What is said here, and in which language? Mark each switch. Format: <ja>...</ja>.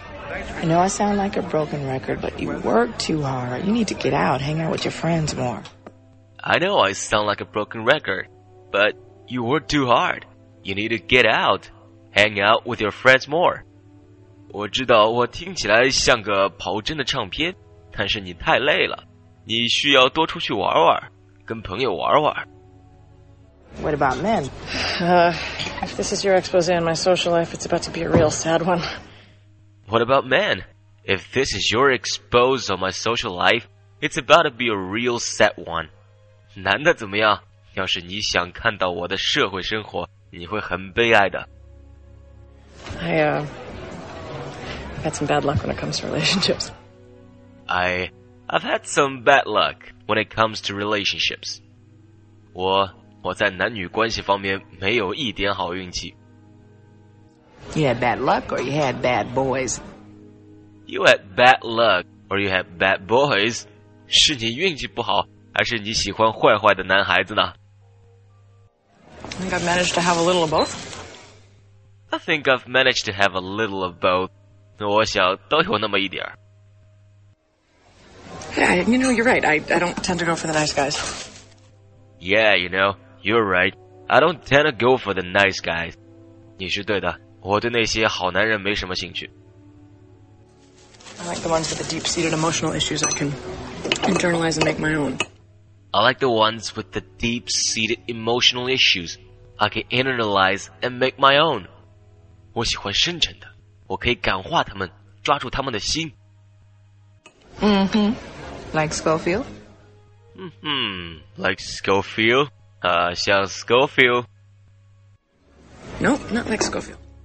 <en>I know I sound like a broken record, but you work too hard. You need to get out, hang out with your friends more. I know I sound like a broken record, but you work too hard. You need to get out, hang out with your friends more.</en> <zh>我知道我听起来像个刨针的唱片，但是你太累了，你需要多出去玩玩，跟朋友玩玩。</zh> <en>What about men? If this is your expose on my social life, it's about to be a real sad one. What about men? If this is your expose on my social life, it's about to be a real sad one.</en> <zh>男的怎么样？要是你想看到我的社会生活，你会很悲哀的。</zh> <en>I've had some bad luck when it comes to relationships. I've had some bad luck when it comes to relationships.</en> <zh>我在男女关系方面没有一点好运气。</zh> <en>You had bad luck or you had bad boys? You had bad luck or you had bad boys?</en> <zh>是你运气不好。还是你喜欢坏坏的男孩子呢？</zh> <en>I think I've managed to have a little of both. I think I've managed to have a little of both.</en> <zh>我想都有那么一点。</zh> <en>Yeah, you know, you're right. I don't tend to go for the nice guys. Yeah, you know, you're right. I don't tend to go for the nice guys.</en> <zh>你是对的，我对那些好男人没什么兴趣。</zh> <en>I like the ones with the deep-seated emotional issues I can internalize and make my own. I like the ones with the deep-seated emotional issues I can internalize and make my own.</en> <zh>我喜欢深沉的，我可以感化他们，抓住他们的心。</zh> <en>Like Scofield? Like Scofield? 像 Scofield? Nope, not like Scofield.</en>